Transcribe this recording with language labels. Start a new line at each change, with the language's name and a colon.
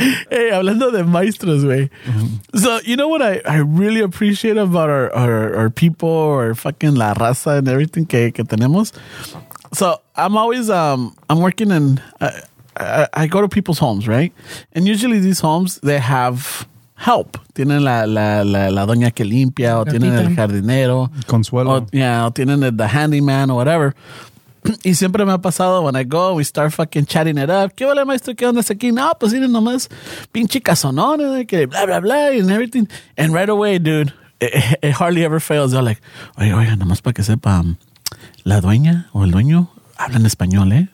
Spanish: Hey, hablando de maestros, güey. Mm-hmm.
English: So, you know what I really appreciate about our people, our fucking la raza and everything
Spanish: que tenemos?
English: So, I'm always, I'm working in, I go to people's homes, right? And usually these homes, they have help.
Spanish: Tienen la doña que limpia, o tienen el jardinero. Consuelo. O tienen
English: the handyman or whatever.
Spanish: Y siempre me ha pasado,
English: when I go, we start fucking chatting it up.
Spanish: ¿Qué vale, maestro? ¿Qué onda aquí? No, pues miren nomás, pinche casonón, blah, blah, blah,
English: and everything. And right away, dude, it hardly ever fails. They're like,
Spanish: oiga, nomás para que sepa, la dueña o el dueño hablan español, ¿eh?